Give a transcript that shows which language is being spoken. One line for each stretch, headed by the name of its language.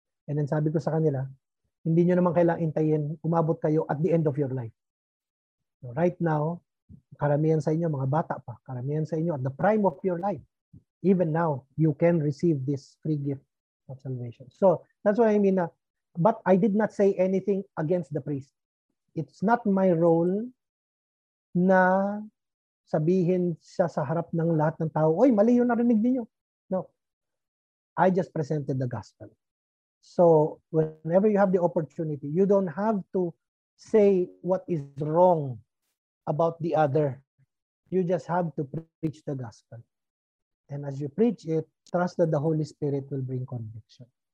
Filipino: And then sabi ko sa kanila, hindi nyo naman kailangan intayin, umabot kayo
English: at the end of your life. So right now,
Filipino: karamihan sa inyo, mga bata pa, karamihan sa inyo
English: at the prime of your life. Even now, you can receive this free gift of salvation. So that's what I mean. But I did not say anything against the priest. It's not my role
Filipino: na sabihin siya sa harap ng lahat ng tao, oy, mali yung narinig ninyo.
English: No. I just presented the gospel. So whenever you have the opportunity, you don't have to say what is wrong about the other. You just have to preach the gospel. And as you preach it, trust that the Holy Spirit will bring conviction.